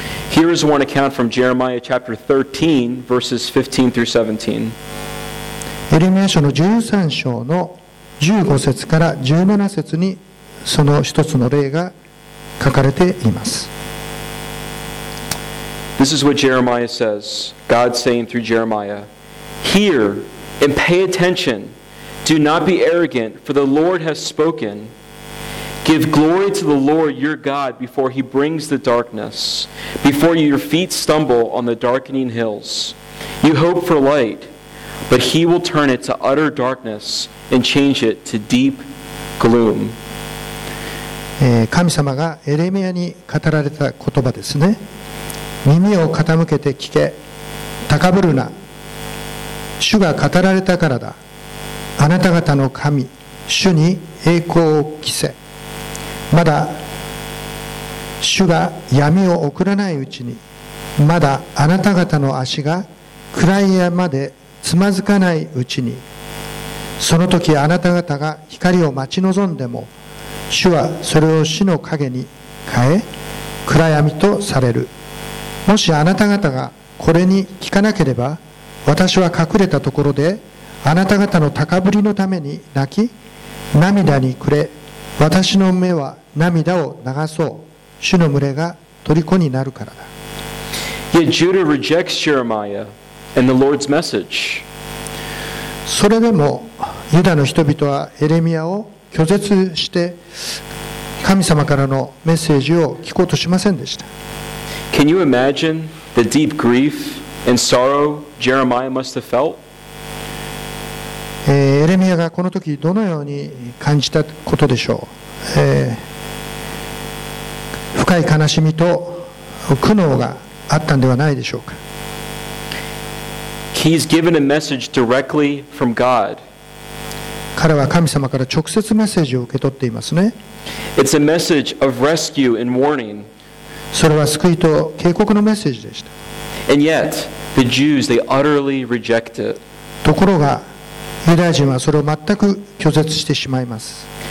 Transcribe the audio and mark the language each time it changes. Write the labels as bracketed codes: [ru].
[en] Here is one account from Jeremiah chapter 13, verses 15 through 17. [ja] エレミア書の13章の15節から17節にその一つの例が書かれています。 [en] This is what Jeremiah says. God saying through Jeremiah, "Hear and pay attention. Do not be arrogant, for the Lord has spoken. Give glory to the Lord your God before He brings the darkness, before your feet stumble on the darkening hills. You hope for light, but He will turn it to utter darkness and change it to deep gloom." [ja] 神様がエレミアに語られた言葉ですね。耳を傾けて聞け、高ぶるな。主が語られたからだ。あなた方の神、主に栄光を着せ。まだ主が闇を送らないうちに、まだあなた方の足が暗い山でつまずかないうちに、その時あなた方が光を待ち望んでも、主はそれを死の影に変え、暗闇とされる。もしあなた方がこれに聞かなければ、私は隠れたところで、あなた方の高ぶりのために泣き、涙に暮れ、私の目は涙を流そう。主の群れが虜になるからだ。 [en] Yet Judah rejects Jeremiah and the Lord's message. [ja] それでも、ユダの人々はエレミアを拒絶して神様からのメッセージを聞こうとしませんでした。 [en] Can you imagine the deep grief and sorrow Jeremiah must have felt? [ja] エレミアがこの時どのように感じたことでしょう。深い悲しみと苦悩があったのではないでしょうか。 [en] He's given a message directly from God. [ja] 彼は神様から直接メッセージを受け取っていますね。 [en] It's a message of rescue and warning. [ja] それは救いと警告のメッセージでした。 [en] And yet, the Jews, they utterly reject it. [ja] ところが、ユダヤ人はそれを全く拒絶してしまいます。